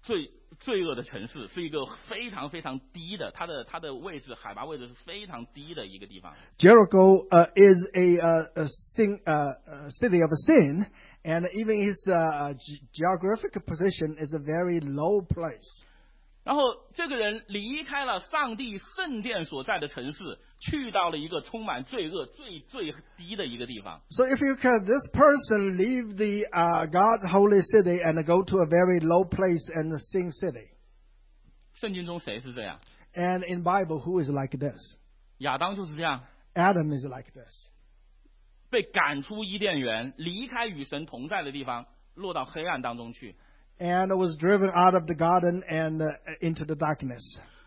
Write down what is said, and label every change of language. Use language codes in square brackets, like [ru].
[zh] 耶利哥是一个罪恶的城市, 是一个非常非常低的, 它的位置, 海拔位置是非常低的一个地方。 [en] Jericho is a city of sin, and even its geographic position is a very low place. [zh] 然后这个人离开了上帝圣殿所在的城市, 去到了一个充满罪恶最低的一个地方。 [en] So if you can, this person leave the God's holy city and go to a very low place and a sin city. [zh] 圣经中谁是这样? [en] And in Bible, who is like this? [zh] 亚当就是这样。 [en] Adam is like this. [zh] 被赶出伊甸园, 离开与神同在的地方, 落到黑暗当中去。 [en] And was driven out of the garden and into the darkness.